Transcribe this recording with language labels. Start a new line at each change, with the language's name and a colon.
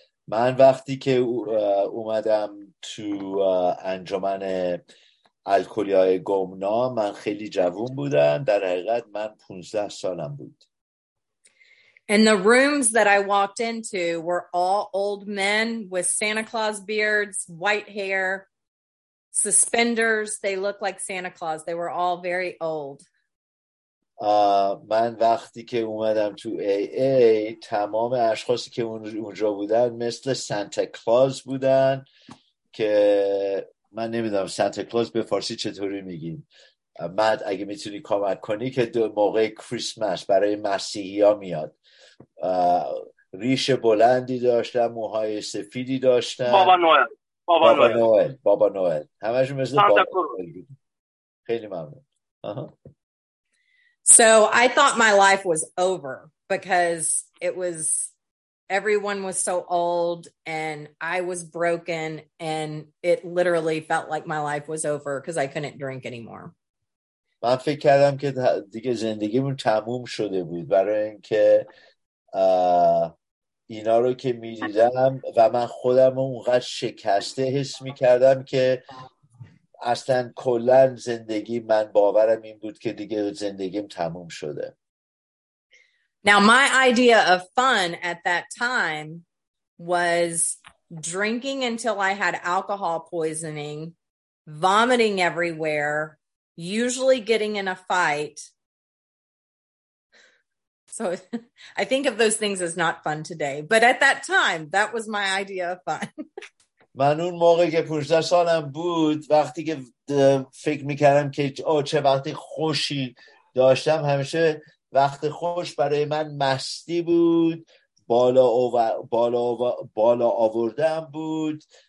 Persian: من وقتی که اومدم تو انجمن الکلیای گمنا من خیلی جوون بودم، در حقیقت من 15 سالم بود.
English: And the rooms that I walked into were all old men with Santa Claus beards, white hair, suspenders, they looked like Santa Claus. They were all very old.
Persian: من وقتی که اومدم تو AA تمام اشخاصی که اونجا بودن مثل سانتا کلاز بودن که من نمیدونم سانتا کلاز به فارسی چطوری میگیم. بعد اگه میتونی کمک کنی که دو موقع کریسمس برای مسیحی ها میاد. ریش بلندی داشتم، موهای سفیدی داشتم. بابا نوئل. همشون مثل بابا نوئل. خیلی ممنون.
English: So I thought my life was over because it was everyone was so old and I was broken and it literally felt like my life was over because I couldn't drink anymore.
Persian: من فکر کردم که دیگه زندگیمون تموم شده بود برای اینکه اینا رو که می‌دیدم و من خودم رو اونقدر شکسته حس می‌کردم که اصلا کلاً زندگی من باورم این بود که دیگه زندگیم تموم شده.
English: Now, my idea of fun at that time was drinking until I had alcohol poisoning, vomiting everywhere, usually getting in a fight. So I think of those things as not fun today. But at that time, that was my idea of fun.
Persian: من اون موقع که 15 سالم بود، وقتی که فکر میکردم که چه وقتی خوشی داشتم، همیشه وقت خوش برای من مستی بود، بالا آوردم بود،